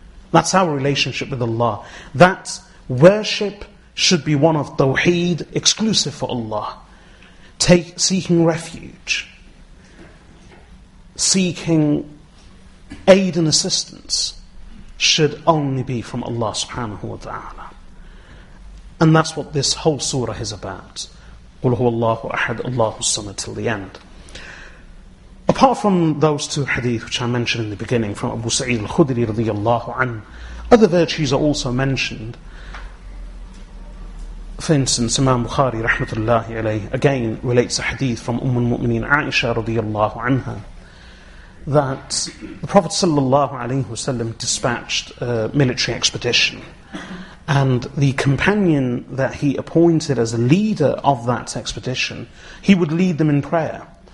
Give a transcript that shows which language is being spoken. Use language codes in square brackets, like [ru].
[en] That's our relationship with Allah. That worship should be one of tawheed, exclusive for Allah. Seeking refuge, seeking aid and assistance should only be from Allah subhanahu wa ta'ala. And that's what this whole surah is about. [ar] قُلْ هُوَ اللَّهُ أَحَدْ اللَّهُ الصَّمَدْ [en] till the end. Apart from those two hadith which I mentioned in the beginning from Abu Sa'id al-Khudri radiyallahu anhu, other virtues are also mentioned. For instance, Imam Bukhari rahmatullahi alayhi again relates a hadith from Umm al-Mu'mineen Aisha radiyallahu anha, that the Prophet sallallahu alayhi wa sallam dispatched a military expedition, and the companion that he appointed as a leader of that expedition, he would lead them in prayer.